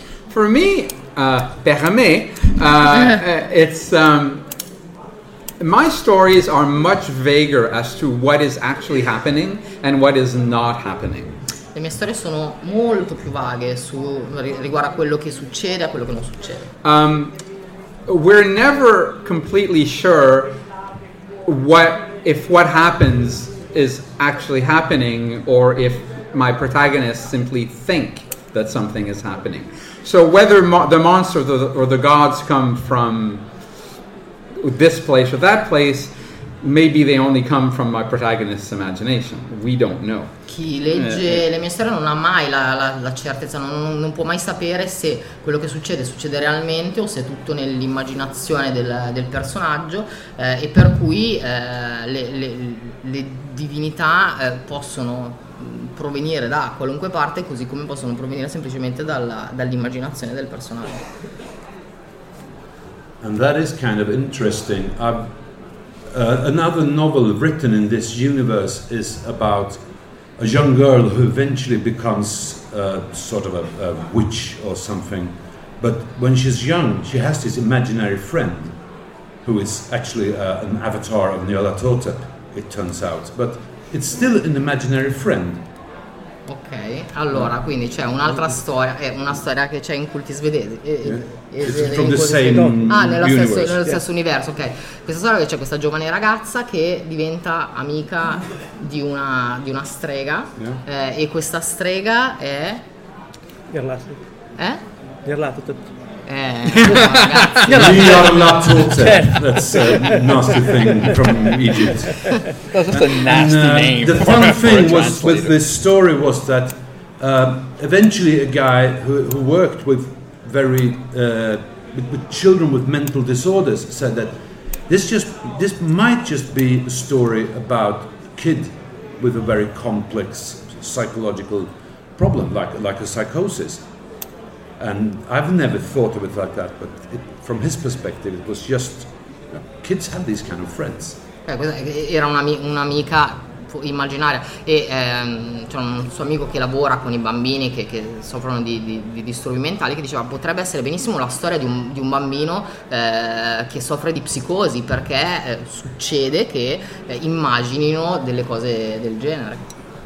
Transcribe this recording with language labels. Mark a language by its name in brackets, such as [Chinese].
[English] For me, [Italian] per me, [English] it's my stories are much vaguer as to what is actually happening and what is not happening. Le mie storie sono molto più vaghe su riguardo a quello che succede e a quello che non succede. We're never completely sure what happens is actually happening, or if my protagonists simply think that something is happening. So whether the monster or the gods come from this place or that place, maybe they only come from my protagonist's imagination. We don't know. [Italian] Chi legge le mie storie non ha mai la certezza, non può mai sapere se quello che succede realmente o se è tutto nell'immaginazione del personaggio, e per cui le divinità possono provenire da qualunque parte, così come possono provenire semplicemente dall'immaginazione del personaggio. [English] And that is kind of interesting. Another novel written in this universe is about a young girl who eventually becomes sort of a witch or something. But when she's young, she has this imaginary friend who is actually an avatar of Nyarlathotep, it turns out. But it's still an imaginary friend. [Italian] Ok, allora, quindi c'è un'altra storia, è una storia che c'è in culti svedesi. Nello stesso universo, ok. Questa storia che c'è questa giovane ragazza che diventa amica di una strega, e questa strega è... Nyarlathotep. [English] That's a nasty thing from Egypt. That's just a nasty name. The fun thing was with this story was that eventually a guy who worked with very with children with mental disorders said that this might just be a story about a kid with a very complex psychological problem, like a psychosis. And I've never thought of it like that, but it, from his perspective, it was just, you know, kids have these kind of friends. [Italian] Era un'amica immaginaria, e c'è un suo amico che lavora con i bambini che soffrono di disturbi mentali, che diceva potrebbe essere benissimo la storia di un bambino che soffre di psicosi, perché succede che immaginino delle cose del genere.